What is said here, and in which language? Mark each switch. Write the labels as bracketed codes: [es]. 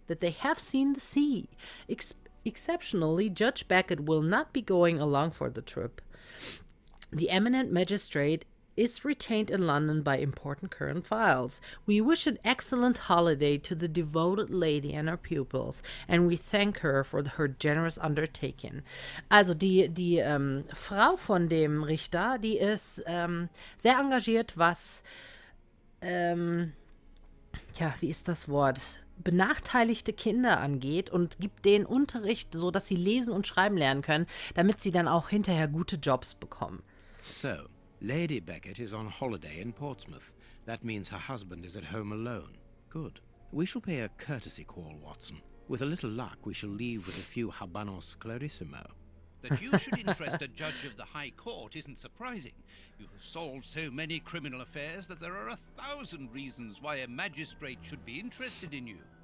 [en] That they have seen the sea. Exceptionally, Judge Beckett will not be going along for the trip. The eminent magistrate is retained in London by important current files. We wish an excellent holiday to the devoted lady and her pupils, and we thank her for her generous undertaking. [de] Also die Frau von dem Richter, die ist sehr engagiert, was wie ist das Wort? Benachteiligte Kinder angeht und gibt denen Unterricht, so dass sie lesen und schreiben lernen können, damit sie dann auch hinterher gute Jobs bekommen. [en] So, Lady Beckett is on holiday in Portsmouth. That means her husband is at home alone. Good. We shall pay a courtesy call, Watson. With a little luck, we shall leave with a few Habanos Clarissimo. That you should interest a judge of the High Court isn't surprising. You have solved so many criminal affairs that there are a thousand reasons why a magistrate should be interested in you.